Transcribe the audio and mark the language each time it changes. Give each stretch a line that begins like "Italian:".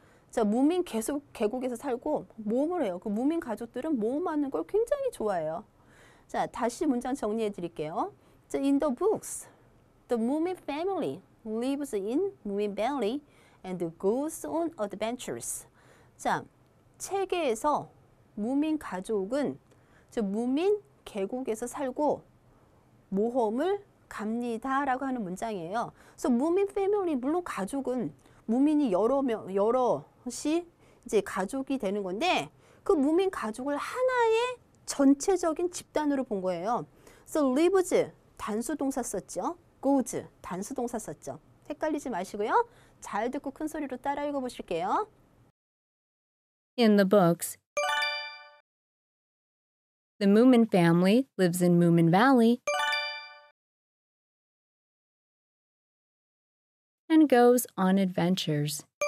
Korean: 자, 무민 계속 계곡에서 살고 모험을 해요. 그 무민 가족들은 모험하는 걸 굉장히 좋아해요. 자, 다시 문장 정리해 드릴게요.
English: So in the books, the Moomin family lives in Moomin Valley and goes on adventures.
Korean: 자, 책에서 무민 가족은 저 무민 계곡에서 살고 모험을 갑니다라고 하는 문장이에요. So 무민 family, 물론 가족은 무민이 여러 명, 여럿이 이제 가족이 되는 건데 그 무민 가족을 하나의 전체적인 집단으로 본 거예요. So lives 단수 동사 썼죠. goes 단수 동사 썼죠. 헷갈리지 마시고요. 잘 듣고 큰 소리로 따라 읽어 보실게요.
English: In the books, the Moomin family lives in Moomin Valley and goes on adventures.